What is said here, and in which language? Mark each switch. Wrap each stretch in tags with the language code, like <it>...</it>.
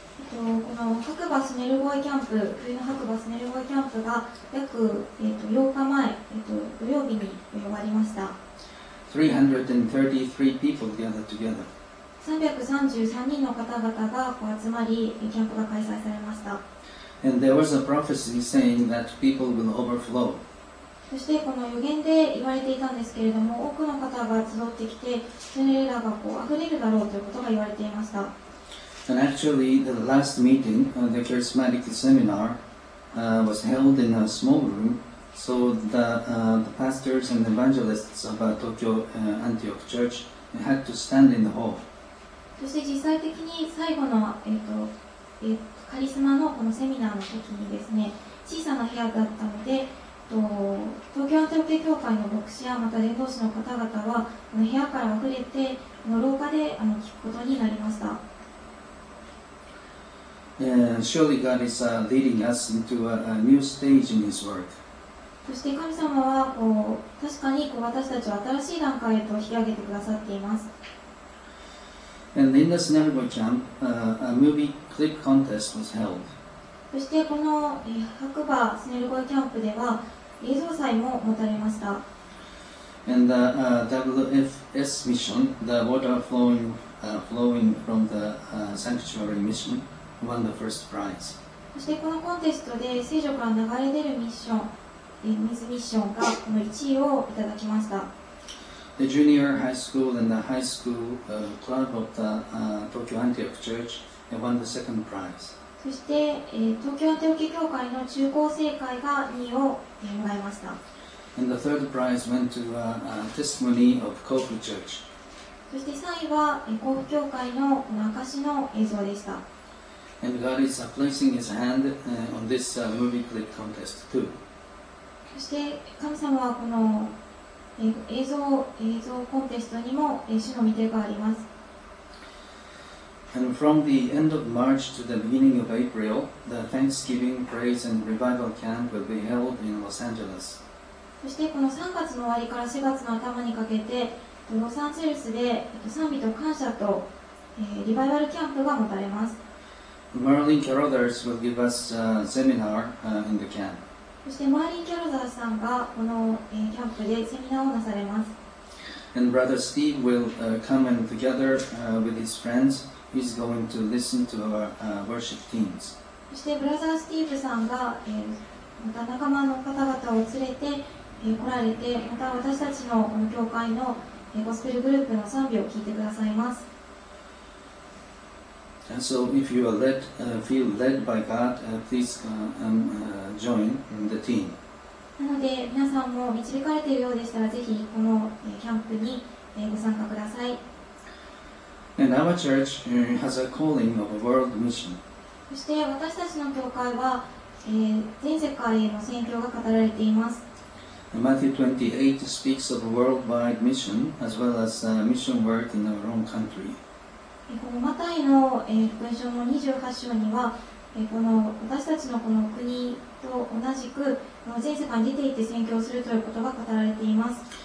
<ja>この白馬スネルゴイキャンプ、冬の白馬スネルゴイキャンプが約8日前、土曜日に終わりました。</ja> <en>333 people gathered together.</en> <ja>333人の方々がこう集まり、キャンプが開催されました。</ja> <en>And there was a prophecy saying that people will overflow.</en> <ja>そしてこの予言で言われていたんですけれども、多くの方が集ってきて、スネルラがこう溢れるだろうということが言われていました。</ja> <en>And actually, the last meeting of the charismatic seminar was held in a small room, so the pastors and evangelists of Tokyo Antioch Church had to stand in the hall.</en> <ja>そして実際的に最後の、カリスマのこのセミナーの時にですね、小さな部屋だったので、東京アンティオキア教会の牧師やまた伝道師の方々はこの部屋から溢れてこの廊下で聞くことになりました。</ja> <en>Surely God is leading us into a new stage in His work.</en> <ja>そして神様はこう確かにこう私たちを新しい段階へと引き上げてくださっています。</ja> <en>And in the Snellboy Camp, a movie clip contest was held.</en> <ja>そしてこの白馬スネルゴイキャンプでは映像祭も持たれました。</ja> <en>And the WFS mission, the water flowing from the sanctuary mission, won the first prize.</en> <ja>そしてこのコンテストで聖所から流れ出るミッション、水ミッションがこの1位をいただきました。</ja> <en>The junior high school and the high school club of the Tokyo Antioch Church won the second prize.</en> <ja>そして、東京アンティオキ教会の中高生会が2位をもらいました。</ja> <en>And the third prize went to a testimony of Kofu Church.</en> <ja>そして3位は甲府教会の証の映像でした。</ja> <en>And God is placing His hand on this movie clip contest too.</en> <ja>そして神様はこの映像コンテストにも主の御手があります。</ja> <en>And from the end of March to the beginning of April, the Thanksgiving, Praise and Revival Camp will be held in Los Angeles.</en> <ja>そしてこの3月の終わりから4月の頭にかけて、ロサンゼルスで賛美と感謝と、リバイバルキャンプが持たれます。</ja> <en>Marlene Carothers will give us a seminar in the camp.</en> <ja>そしてマーリン・キャロザーさんがこの、キャンプでセミナーをなされます。</ja> <en>And Brother Steve will come and together with his friends. He's going to listen to our worship teams.</en> <ja>そしてブラザースティーブさんが、また仲間の方々を連れて、来られて、また私たちのこの教会の、ゴスペルグループの賛美を聞いてくださいます。</ja> <en>And so if you are led, feel led by God, please come, join in the team.</en> <ja>なので皆さんも導かれているようでしたら、ぜひこの、キャンプに、ご参加ください。</ja> <en>And our church has a calling of a world mission.</en> <ja>そして私たちの教会は、全世界への宣教が語られています。</ja> <en>Matthew 28 speaks of a worldwide mission as well as mission work in our own country.</en> <ja>このマタイの、福音書の28章には、この私たちのこの国と同じく、全世界に出て行って宣教するということが語られています。</ja>